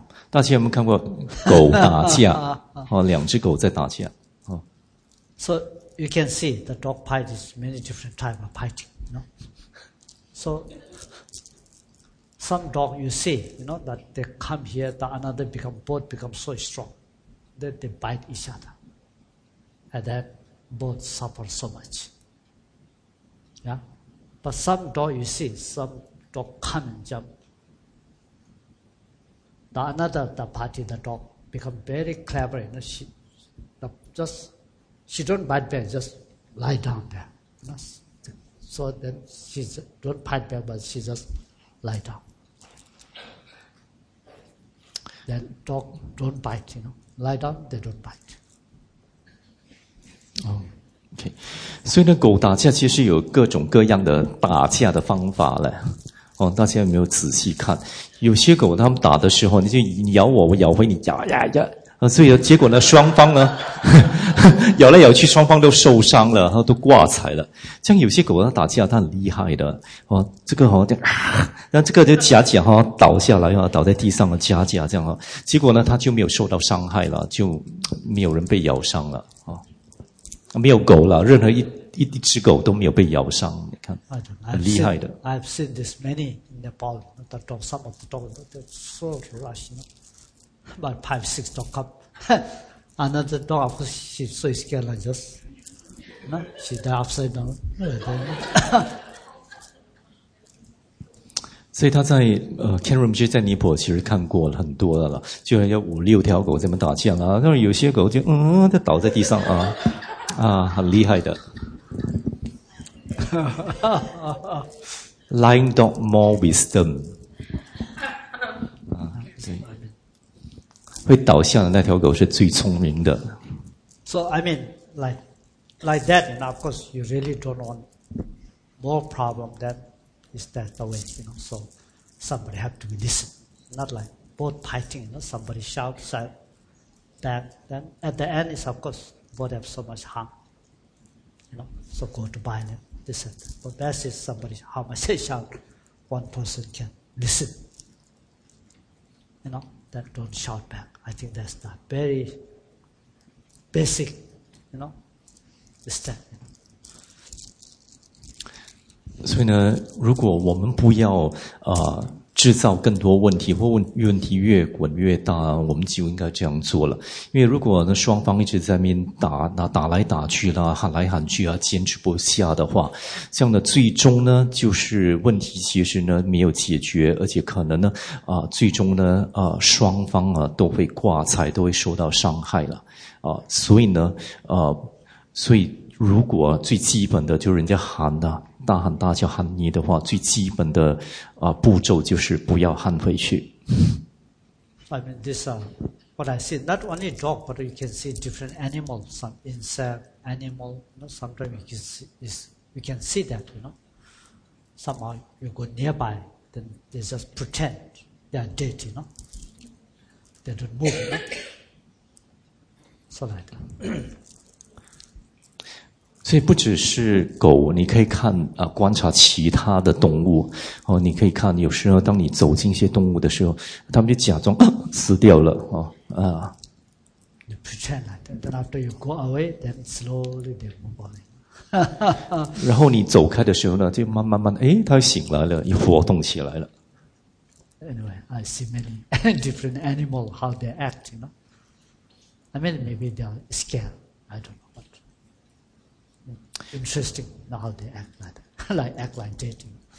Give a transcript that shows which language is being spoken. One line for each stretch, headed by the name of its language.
Chinese: 大家有没有看过狗打架两只狗在打架
English: So you can see the dog fight is many different types of fighting, you know? So some dog you see, you know, that they come here, the another become, both become so strong that they bite each other. And then both suffer so much. Yeah? But some dog you see, some dog come and jump,The another, the party, the dog, become very clever, you know, she don't bite back, just lie down there, you know? So then she don't bite back, but she just lie down. Then dog don't bite, you know, lie down, they don't bite. Okay.
Chinese: 所以呢，狗打架其实有各种各样的打架的方法了。大家有没有仔细看？有些狗他们打的时候，你就咬我，我咬回你，咬呀呀，所以结果呢，双方呢咬来咬去，双方都受伤了，然后都挂彩了。像有些狗它打架，它很厉害的，这个好像这样，那这个就夹夹哈倒下来哈，倒在地上了夹夹这样哈，结果呢，它就没有受到伤害了，就没有人被咬伤了啊，没有狗了，任何一只狗都没有被咬伤。很厉害的。
English: I've seen this many in Nepal. The dog, some of the dogs, they're so rushy. You know? About five, six dogs come. Another dog, of course, she's so scared, like just, you know, she died upside down.
Chinese: 所以他在Ken Room 就在尼泊尔其实看过了很多的了，就要五六条狗在那边打架了，但是有些狗就就倒在地上很厉害的。
English: Lying dog more wisdom
Chinese: 会倒下的那条狗是最聪明的。
English: So I mean, like that, and of course, you really don't want more problem than is that the way, you know, so somebody have to be listened. Not like both fighting, you know, somebody shouts out back, then at the end is of course both have so much harm. You know, so go to buy and listen. But best is somebody how much they shout, one person can listen. You know, that don't shout back. I think that's the very basic, you know, the step.
Chinese: 所以呢，如果我们不要制造更多问题，或问题越滚越大，我们就应该这样做了。因为如果呢双方一直在面打，那打来打去啦，喊来喊去啊，坚持不下的话，这样的最终呢，就是问题其实呢没有解决，而且可能呢最终呢双方啊都会挂彩，都会受到伤害了啊。所以呢所以如果最基本的就是人家喊的。大喊大叫喊你的话，最基本的步骤就是不要喊回去。
English: I mean this, what I see, not only dog, but you can see different animals, some insect, animal. You know, sometimes you can see, you can see that, you know. Somehow you go nearby, then they just pretend they are dead, you know. They don't move, you know? So like that.
Chinese: 所以不只是狗，你可以看观察其他的动物哦。你可以看，有时候当你走进一些动物的时候，他们就假装死掉了哦。
English: You pretend like that. Then after you go away, then slowly they move on.
Chinese: 然后你走开的时候呢，就慢慢，哎，它醒来了，又活动起来了。
English: Anyway, I see many different animal how they act. You know, I mean maybe they are scared. I don't know. Interesting how they act like that, act like dating.